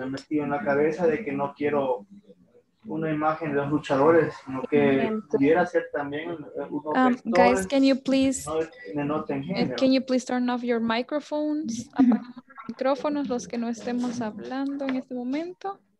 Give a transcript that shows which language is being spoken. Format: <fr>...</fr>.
<es>Me metí en la cabeza de que no quiero una imagen de los luchadores, sino que pudiera ser también uno.</es> <en>Guys, can you please turn off your microphones?</en> <es>Micrófonos, los que no estemos hablando en este momento.</es>